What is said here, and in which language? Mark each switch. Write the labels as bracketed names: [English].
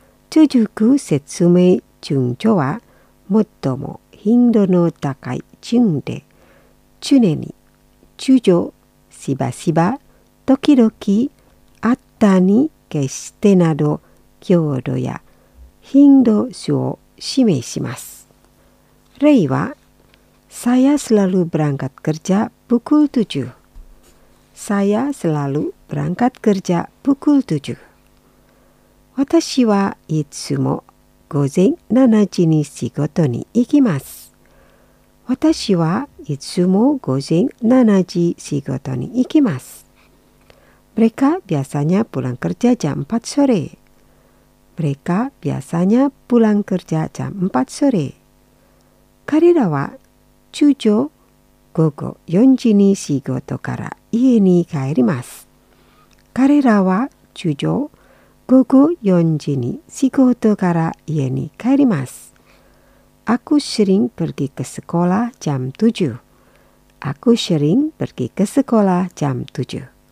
[Japanese] 続く説明順序は、最も頻度の高い順で、常に、通常、しばしば、時々、あったに、決してなど、強度や頻度数を示します。例は、 [Indonesian] saya selalu berangkat kerja pukul 7. Saya selalu berangkat kerja pukul 7. [Japanese] 私はいつも午前7時に仕事に行きます。私はいつも午前7時仕事に行きます。 [Indonesian] Mereka biasanya pulang kerja jam 4 sore. Mereka biasanya pulang kerja jam 4 sore. [Japanese] 彼らは通常午後4時に仕事から家に帰ります。彼らは通常午後4時に仕事から家に帰ります。 [Indonesian] Aku sering pergi ke sekolah jam 7. Aku sering pergi ke sekolah jam 7.